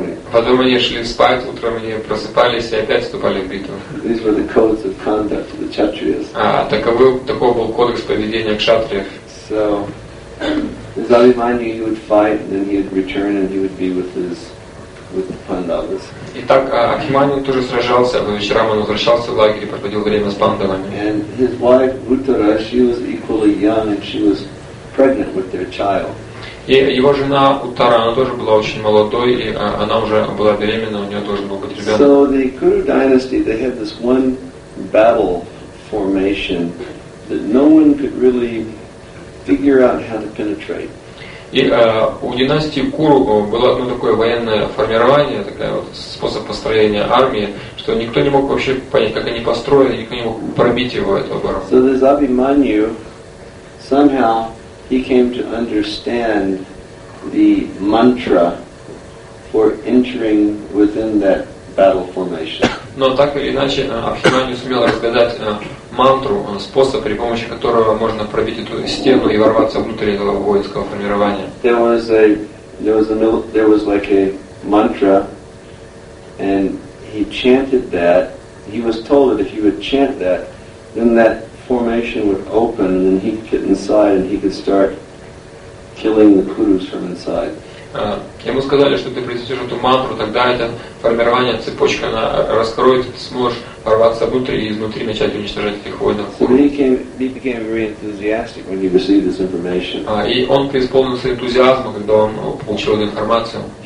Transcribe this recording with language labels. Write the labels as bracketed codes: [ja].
[ru] Потом они шли спать, утром они просыпались и опять вступали в битву. [en] These were the codes of conduct of the kshatriyas. [ru] Такой был кодекс поведения кшатриев. [en] So, as Abhimanyu, he would fight, and then he would return, and he would be with his with the Pandavas. [ru] Итак, Абхиманин тоже сражался, но вечером он возвращался в лагерь и проводил время с пандавами. [en] And his wife Uttara, she was equally young and she was pregnant with their child. [ru] И его жена Уттара, она тоже была очень молодой, и она уже была беременна, у нее тоже был быть ребенок. [en] So the Kuru dynasty, they had this one battle formation that no one could really figure out how to penetrate. [ru] И у династии Куру было одно такое военное формирование, такой вот способ построения армии, что никто не мог вообще понять, как они построены, никто не мог пробить его эту оборону. [en] So this Abhimanyu somehow he came to understand the mantra for entering within that battle formation. [ru] Но так или иначе Абхиманю сумел разгадать мантру, способ, при помощи которого можно пробить эту стену и ворваться внутрь этого воинского формирования. [en] There was like a mantra, and he chanted that. He was told that if he would chant that, then that formation would open, and then he could get inside, and he could start killing the Kurus from inside. [ru] Ему сказали, что ты произнесешь эту мантру, тогда это формирование, цепочка она раскроет, ты сможешь ворваться внутрь и изнутри начать уничтожать этих воинов. И он преисполнился энтузиазма, когда он получил эту информацию.